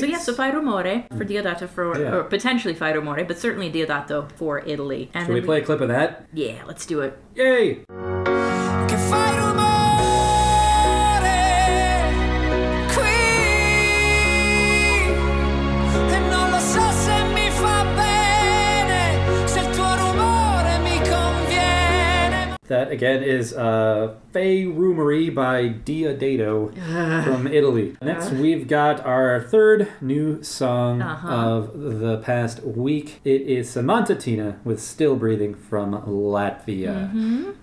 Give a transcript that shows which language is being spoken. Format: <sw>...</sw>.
<en>So, yeah, so Fai Rumore for Diodato for, yeah. Or potentially Fai Rumore, but certainly Diodato for Italy. And should we play a clip of that? Yeah, let's do it. Yay!</en> <it>Che Fai Rumore, qui, e non lo so se mi fa bene, se il tuo rumore mi conviene.</it> <en>That, again, is, Fai Rumore by Diodato from Italy. Next, we've got our third new song of the past week. It is Samantha Tina with Still Breathing from Latvia. Mm-hmm.</en>